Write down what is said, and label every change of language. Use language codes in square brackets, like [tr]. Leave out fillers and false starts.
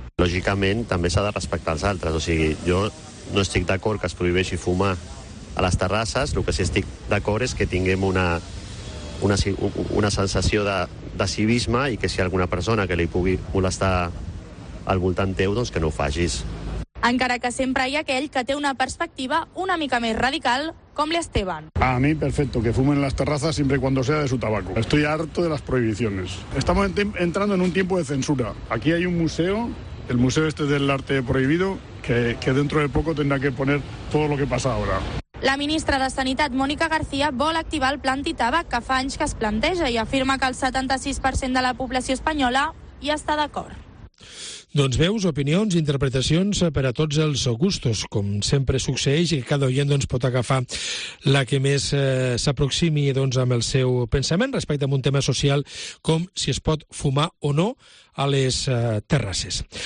[ca] Lògicament, també s'ha de respectar els altres. O sigui, jo no estic d'acord que es prohibeixi fumar a les terrasses. El que sí estic d'acord és que tinguem una sensació de civisme i que si alguna persona que li pugui molestar al voltant teu, doncs que no ho facis. encara que sempre hi ha aquell que té una perspectiva una mica més radical, com l'Esteban. [es] A mí perfecto que fumen en las terrazas siempre y cuando sea de su tabaco. Estoy harto de las prohibiciones. Estamos entrando en un tiempo de censura. Aquí hay un museo, el museo este del arte prohibido, que dentro de poco tendrá que poner todo lo que pasa ahora. [ca] La ministra de Sanitat, Mònica García, vol activar el pla antitabac que fa anys que es planteja i afirma que el 76% de la població espanyola hi està d'acord. Doncs veus, opinions, interpretacions per a tots els gustos, com sempre succeeix, i cada oient doncs pot agafar la que més s'aproximi doncs amb el seu pensament respecte a un tema social com si es pot fumar o no a les terrasses.